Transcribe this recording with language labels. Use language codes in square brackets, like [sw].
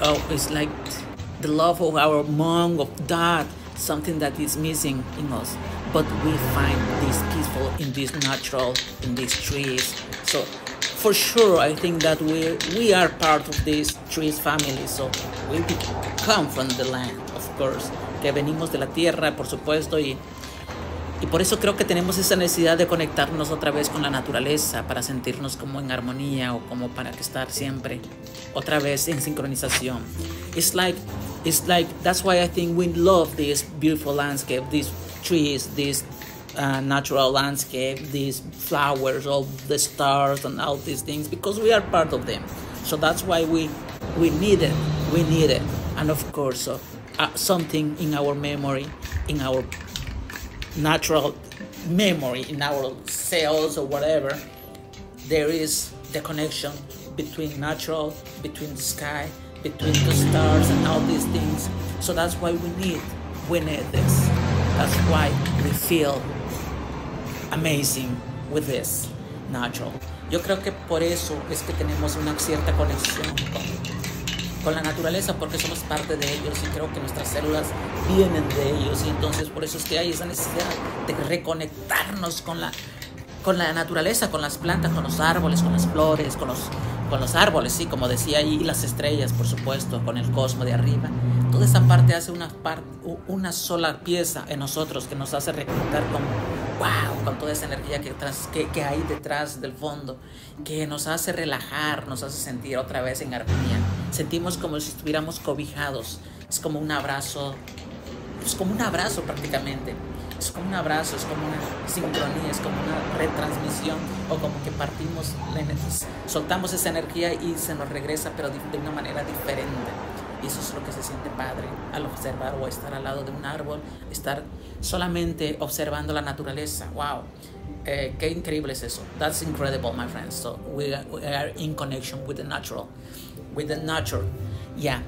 [en] It's like the love of our mom, of dad, something that is missing in us. But we find this peaceful in this natural, in these trees. So for sure, I think that we are part of this trees family. So we come from the land, of course. [es] Que venimos de la tierra, por supuesto, y por eso creo que tenemos esa necesidad de conectarnos otra vez con la naturaleza para sentirnos como en armonía o como para estar siempre otra vez en sincronización. [en] It's like that's why I think we love this beautiful landscape, these trees, this natural landscape, these flowers, all the stars and all these things, because we are part of them. So that's why we need it. And of course, something in our memory, in our natural memory, in our cells or whatever, there is the connection between natural, between the sky, between the stars and all these things. So that's why we need this. That's why we feel amazing with this natural. [es] Yo creo que por eso es que tenemos una cierta conexión con la naturaleza, porque somos parte de ellos y creo que nuestras células vienen de ellos. Y entonces por eso es que hay esa necesidad de reconectarnos con la naturaleza, con las plantas, con los árboles, con las flores, con los árboles, sí, como decía ahí, y las estrellas, por supuesto, con el cosmos de arriba. Toda esa parte hace una sola pieza en nosotros que nos hace reconectar con, wow, con toda esa energía que hay detrás del fondo, que nos hace relajar, nos hace sentir otra vez en armonía. Sentimos como si estuviéramos cobijados. Es como un abrazo, es como un abrazo prácticamente. Es como un abrazo, es como una sincronía, es como una retransmisión, o como que partimos, soltamos esa energía y se nos regresa, pero de una manera diferente. Y eso es lo que se siente padre al observar o estar al lado de un árbol, estar solamente observando la naturaleza. ¡Wow! ¡Qué increíble es eso! [en] That's incredible, my friends. So we are in connection with the natural. With the nature. Yeah.